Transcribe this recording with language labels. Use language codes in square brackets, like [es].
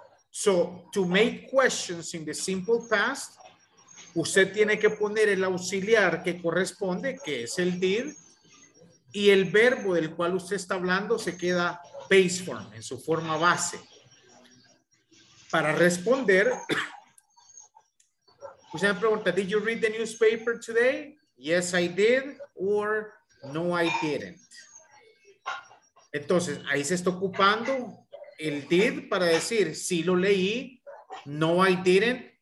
[en] So, to make questions in the simple past, [es] usted tiene que poner el auxiliar que corresponde, que es el did, y el verbo del cual usted está hablando se queda base form, en su forma base. Para responder, usted me pregunta, [en] did you read the newspaper today? Yes, I did. Or, no, I didn't. [es] Entonces, ahí se está ocupando el did para decir, sí lo leí, [en] no, I didn't.